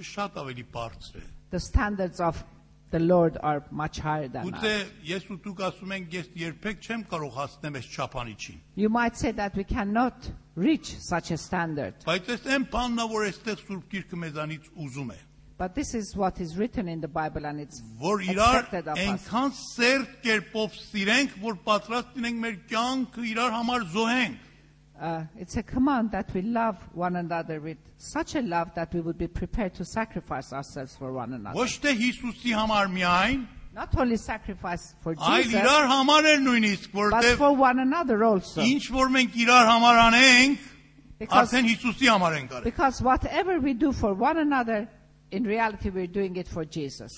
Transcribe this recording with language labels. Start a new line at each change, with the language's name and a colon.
English: The standards of the Lord are much higher than us. You might say that we cannot reach such a standard. But this is what is written in the Bible and it's expected of us.
Armenian: Ենքան սերտ կերպով սիրենք, որ պատրաստ լինենք մեր կյանքը իրար համար զոհենք.
English: It's a command that we love one another with such a love that we would be prepared to sacrifice ourselves for one another.
Armenian: Ոչ թե Հիսուսի համար միայն,
English: not only sacrifice for Jesus,
Armenian: այլ իրար համար էլ նույնիսկ,
English: but for one another also.
Armenian: Ինչ որ մենք իրար համար անենք, արդեն Հիսուսի համար ենք արել.
English: Because whatever we do for one another, in reality, we're doing it for Jesus.